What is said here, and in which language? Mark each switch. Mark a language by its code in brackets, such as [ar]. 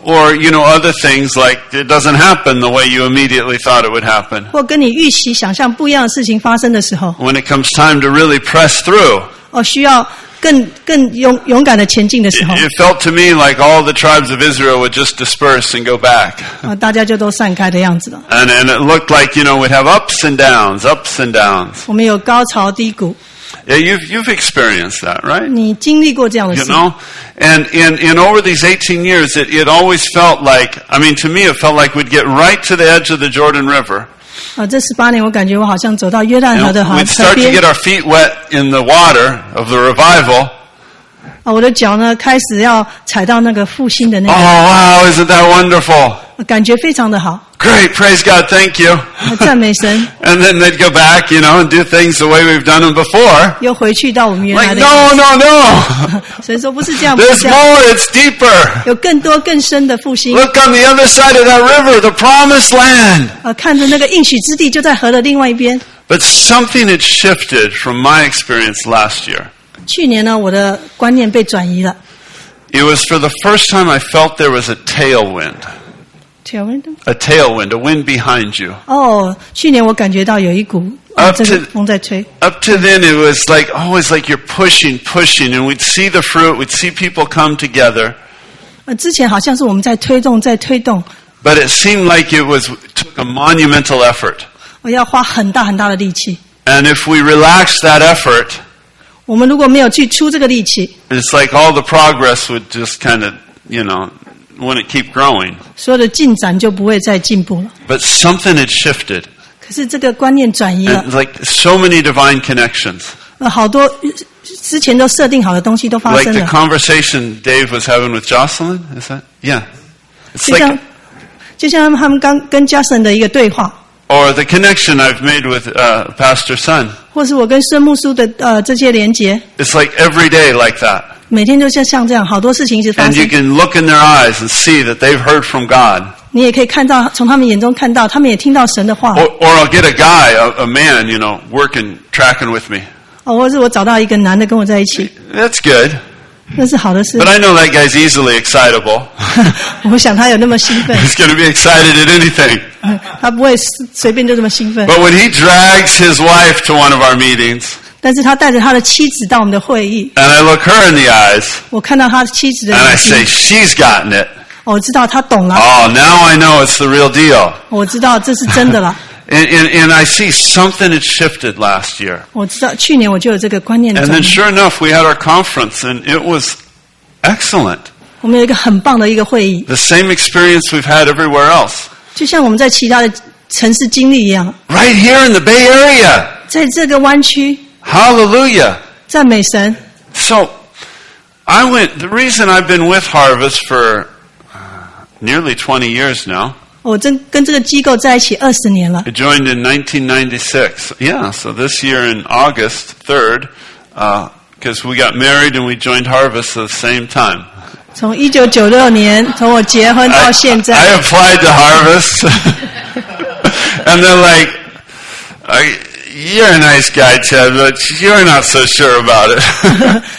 [en] or you know, other things like it doesn't happen the way you immediately thought it would happen, [zh] 或跟你预期想象不一样的事情发生的时候 [en] when it comes time to really press through, [zh] 需要更勇敢的前进的时候 [en] it felt to me like all the tribes of Israel would just disperse and go back, [zh] 大家就都散开的样子了 [en] and it looked like, you know, we'd have ups and downs, [zh] 我们有高潮低谷 [en] yeah, you've experienced that, right? [zh] 你经历过这样的事 [en] you know, and over these 18 years, it always felt like, I mean, to me, it felt like we'd get right to the edge of the Jordan River, [zh] 这18年我感觉我好像走到约旦河的河边。 [en] We'd start to get our feet wet in the water of the revival. [zh] 我的脚呢开始要踩到那个复兴的那个。 [en] Oh wow, isn't that wonderful? [zh] 感觉非常的好。 [en] Great, praise God, thank you. [zh] 赞美神。 [en] And then they'd go back, you know, and do things the way we've done them before. [zh] 又回去到我们原来的。 [en] Like, no, no, no. [zh] 所以说不是这样。 [en] There's more, it's deeper. [zh] 有更多更深的复兴。 [en] Look on the other side of that river, the promised land. [zh] 看着那个应许之地就在河的另外一边。 [en] But something had shifted from my experience last year. [zh] 去年呢，我的观念被转移了。 [en] It was for the first time I felt there was a tailwind. A tailwind, a wind behind you. [zh] Oh, 去年我感觉到有一股风在吹。 [en] Up to then, it was like always like you're pushing, and we'd see the fruit, we'd see people come together. [zh] 之前好像是我们在推动。 [en] But it seemed like it was took a monumental effort. [zh] 我要花很大很大的力气。 [en] And if we relax that effort, [zh] 我们如果没有去出这个力气 [en] it's like all the progress would just kind of, you know,when it keep growing. [zh] 所有的进展就不会再进步了。 [en] But something had shifted. [zh] 可是这个观念转移了。 [en] And like so many divine connections. [zh] 好多之前都设定好的东西都发生了。 [en] Like the conversation Dave was having with Jocelyn, is that? Yeah. It's like, [zh] 就像他们刚跟 Jocelyn 的一个对话。 [en] Or the connection I've made with Pastor Sun. [zh] 或是我跟孙牧师的这些连结。 [en] It's like every day like that. [zh] 每天就像这样，好多事情一直发生。 [en] And you can look in their eyes and see that they've heard from God. [zh] 你也可以看到，从他们眼中看到，他们也听到神的话。 [en] Or I'll get a guy, a man, you know, working, tracking with me. [zh] 或是我找到一个男的跟我在一起。 [en] That's good. [zh] 那是好的事。 [en] But I know that guy's easily excitable. [zh] 我想他有那么兴奋。 [en] He's going to be excited at anything. [zh] 他不会随便就这么兴奋。 [en] But when he drags his wife to one of our meetings, [zh] 但是他带着他的妻子到我们的会议。 [en] And I look her in the eyes. [zh] 我看到他的妻子的眼睛。 [en] And I say, she's gotten it. [zh] 我知道他懂了。 [en] Oh, now I know it's the real deal. [zh] 我知道这是真的了。 [en] And I see something had shifted last year. [zh] 我知道去年我就有这个观念。 [en] And then sure enough, we had our conference and it was excellent. [zh] 我们有一个很棒的一个会议。 [en] The same experience we've had everywhere else. [zh] 就像我们在其他的城市经历一样。 [en] Right here in the Bay Area. [zh] 在这个湾区。 [en] Hallelujah. [zh] 赞美神。 [en] So, I went, the reason I've been with Harvest for nearly 20 years now. [zh] 我跟这个机构在一起20年了。 [en] I joined in 1996. Yeah, so this year in August 3rd, because we got married and we joined Harvest at the same time. [zh] 从1996年,从我结婚到现在。 [en] I applied to Harvest. And they're like, You're a nice guy, Ted, but you're not so sure about it.